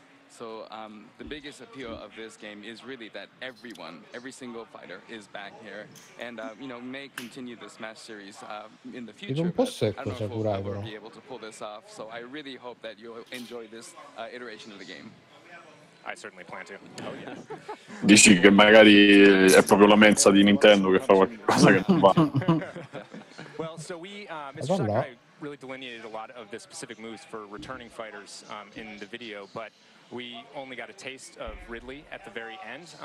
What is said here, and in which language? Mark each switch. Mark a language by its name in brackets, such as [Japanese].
[English] So the biggest appeal of this game is really that everyone, every single fighter is back here and you know may continue this match series in the future. [Italian] Non posso essere curato, però. [English] Be able to pull this off, so I really hope that you enjoy this iteration of the game. I certainly plan to. Oh, yeah. [Italian] Dici che magari è proprio la mensa di Nintendo che fa qualcosa che non va. [English] Well, so we Mr. Sakurai really delineated a lot of the specific moves for returning fighters in the video, but we only got a taste of Ridley at the very end.